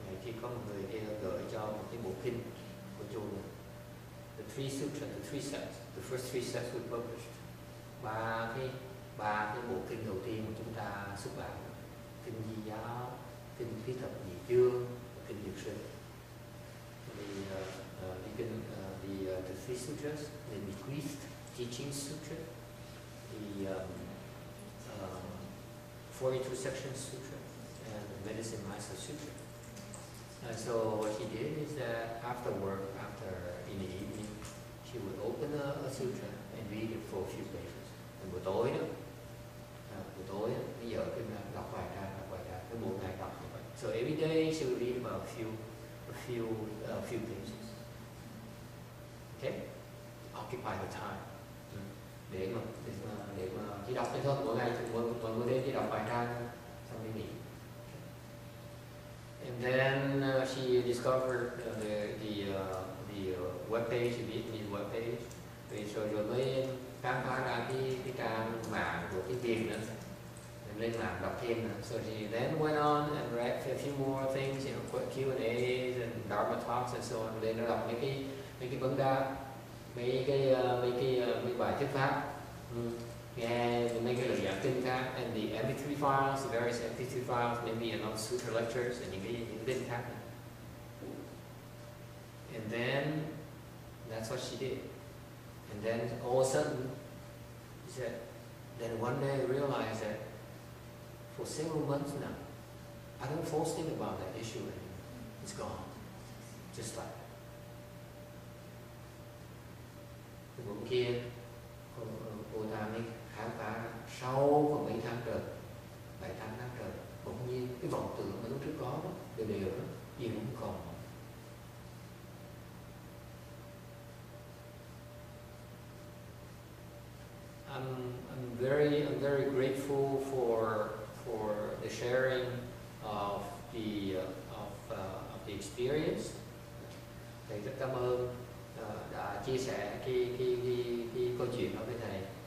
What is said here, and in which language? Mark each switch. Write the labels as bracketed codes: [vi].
[vi] Khi có một người kia gửi cho một cái bộ kinh của chùa này. [en] The three sutras, the three sets, the first three sets were published. [vi] Ba cái bộ kinh đầu tiên của chúng ta xuất bản, kinh Di Giáo, kinh Thí Thập Nhị Chương và kinh Dược Sư. Thì cái kinh [en] three sutras, the bequeathed teaching sutra, the 42 section sutra, and the medicine master sutra. And so what he did is that after work, after in the evening, he would open a sutra and read it for a few pages. [vi] And buổi tối đó, buổi tối bây giờ khi mà đọc bài ra, cứ một ngày đọc như vậy. [en] So every day she would read about a few pages. Okay, occupy the time. [vi] Để mà chỉ đọc cái thôi mỗi ngày, mỗi đêm chỉ đọc bài ra thôi, xong đi nghỉ. [en] And then she discovered the web page, the Vietnamese web page. [vi] Thì rồi rồi mới khám phá ra cái trang mạng của cái tiền đó. Em lên mạng đọc thêm. [en] So she then went on and read a few more things, you know, Q&As and Dharma talks and so on. [vi] Lên nó đọc mấy cái vấn đáp, mấy cái bài thuyết pháp, nghe mấy cái lời giảng kinh khác, [en] and the MP3 files, the various MP3 files, maybe another sutra lectures, [vi] and những kinh khác. [en] And then, that's what she did. And then, all of a sudden, she said, then one day I realized that for several months now, I don't force think about that issue anymore. It's gone. Just like that. [vi] Hôm kia, cô ta mới khám phá sau khoảng mấy tháng trời, 7-8 tháng trời, bỗng nhiên cái vọng tưởng mà lúc trước có đó, đều đều đó, gì cũng còn. [en] I'm very grateful for the sharing of the experience. [vi] Thầy rất cảm ơn đã chia sẻ cái câu chuyện đó với thầy.